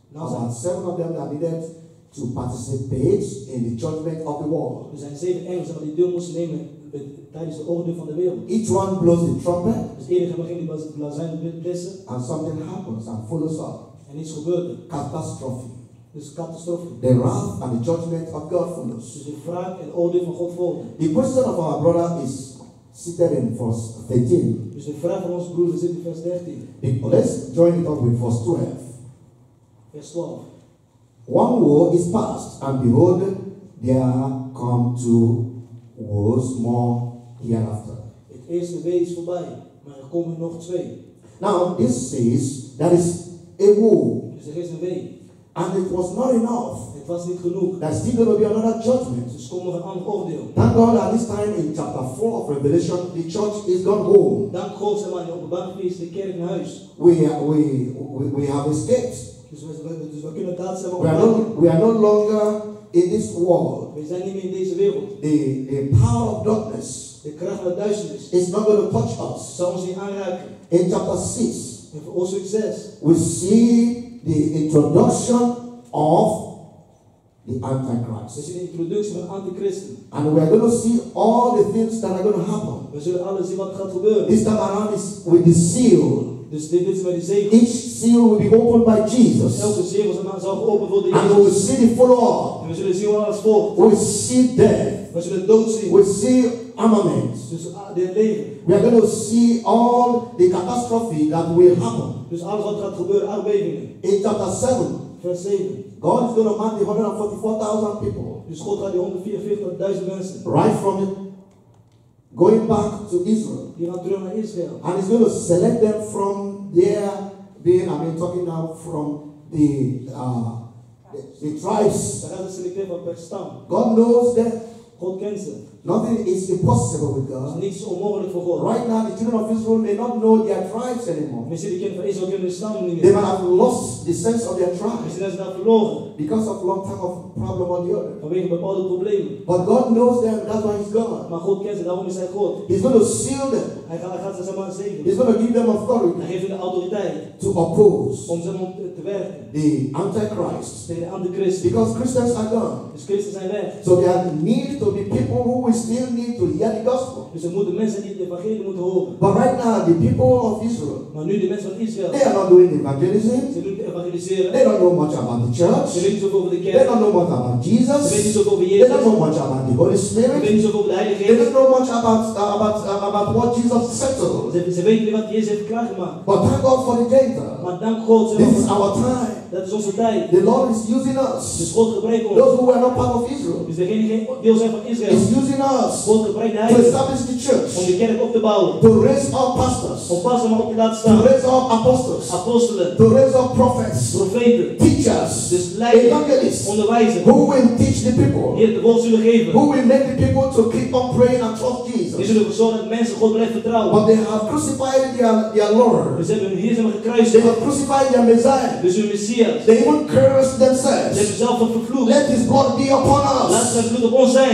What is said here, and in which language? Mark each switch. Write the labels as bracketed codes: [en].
[en] Now there are seven of them that needed to participate in the judgment of the world. [nl] Er zijn zeven engels die deel moesten nemen tijdens de oordeel van de wereld. [en] Each one blows the trumpet. [nl] Dus iedereen begint die blazen te blazen. [en] And something happens and follows up. [nl] En iets gebeurt. [en] Catastrophe. [nl] Dus catastrofe. [en] The wrath and the judgment of God from us. [nl] Dus de vraag en oordeel van God volgt. [en] The question of our brother is seated in verse 13. [nl] Dus de vraag van ons broer zit in vers 13. [en] Let's join it up with verse 12. [nl] Vers 12. [en] One war is past, and behold, there come two wars more hereafter. [nl] Het eerste wee is voorbij, maar er komen nog twee. [en] Now, this says there is a war. [nl] Dus er is een wee. [en] And it was not enough. [nl] Het was niet genoeg. [en] There's still going to be another judgment. [nl] Dus komt nog een ander oordeel. [en] Thank God at this time in chapter 4 of Revelation, the church is gone home. [nl] Dank God, zeg maar, in Openbaring is de kerk in huis. [en] We have escaped. [nl] Dus we kunnen dat zeggen. [en] We are no longer in this world. [nl] We zijn niet meer in deze wereld. [en] The power of darkness. [nl] De kracht van duisternis. [en] Is not going to touch us. [nl] Zal ons niet aanraken. [en] In chapter 6. [nl] In hoofdstuk 6. [en] We see the introduction of the Antichrist. [nl] Dus een introductie van antichristen. [en] And we are going to see all the things that are going to happen. [nl] We zullen alles zien wat gaat gebeuren. [en] This time around is with the seal. [nl] Dus dit is met de zegel. [en] Each seal will be opened by Jesus. [nl] Elke zegel zal open voor de [en] Jezus. And we will see the follow-up. [nl] En we zullen zien wat alles volgt. [en] We will see death. [nl] We zullen dood zien. [en] We see armament. [nl] Dus de leven. [en] We are going to see all the catastrophe that will happen. [nl] Dus alles wat gaat gebeuren, aardbevingen. [en] In chapter 7. [nl] Vers 7. [en] God is going to man the 144,000 people. [nl] Dus God gaat die 144,000 mensen. [en] Right from it. Going back to Israel. [nl] Die gaat terug naar Israël. [en] And he's going to select them from their being. I mean, talking now from the tribes. [nl] Daar gaat hij selecteren van per stam. [en] God knows that. [nl] God kent ze. [en] Nothing is impossible with God. [nl] Niets onmogelijk voor God. [en] Right now, the children of Israel may not know their tribes anymore. [nl] Misschien de kinderen van Israël kunnen staan niet meer. [en] They might have lost the sense of their tribe. [nl] Misschien zijn ze verloren. [en] Because of long time of problem on the earth. [nl] Vanwege bepaalde problemen. [en] But God knows them. That's why He's God. [nl] Maar God kent ze. Daarom is Hij God. [en] He's going to seal them. [nl] Hij gaat ze zomaar zegenen. [en] He's going to give them authority. [nl] Hij geeft hen de autoriteit. [en] To oppose. [nl] Om ze te werken. [en] The Antichrist. [nl] De Antichrist. [en] Because Christians are gone. [nl] Dus Christen zijn weg. [en] So there need to be people who we still need to hear the gospel. [nl] Dus er moeten mensen die de evangelie moeten horen. [en] But right now, the people of Israel. [nl] Maar nu de mensen van Israël. [en] They are not doing evangelism. [nl] Ze doen evangeliseren. [en] They don't know much about the church. [nl] Ze weten niet zoveel over de kerk. [en] They don't know much about Jesus. [nl] Ze weten niet zoveel over Jezus. [en] They don't know much about the Holy Spirit. spirit. They don't know much about what Jesus said to them. [nl] Ze weten niet wat Jezus heeft klaargemaakt. [en] But thank God for the data. [nl] Maar dank God. [en] This is our time. [nl] Dat is onze tijd. [en] The Lord is using us. [nl] Dus God gebruikt ons. [en] Those who were not part of Israel. [nl] Dus degenen die deel zijn van Israël. [en] He's using us. [nl] God gebruikt de [en] Heiligen. To establish the church. [nl] Om de kerk op te bouwen. [en] To raise up pastors. [nl] Om pastoren op te laten staan. [en] To raise up apostles. [nl] Apostelen. [en] To raise up prophets. [nl] Profeten. [en] Teachers. [nl] Dus leiders. [en] Evangelists. [nl] Onderwijzers. [en] Who will teach the people? [nl] Die de woord zullen geven. [en] Who will make the people to keep on praying and trust Jesus? [nl] Die zullen zorgen dat mensen God blijven vertrouwen. [en] But they have crucified their Lord. [nl] Dus hebben hun Heer gekruisigd. [en] They have crucified their Messiah. [nl] Dus hun Messias. [en] They even curse themselves. [nl] Ze hebben zelf een vervloekt. [en] Let his blood be upon us. [nl] Laat zijn bloed op ons zijn.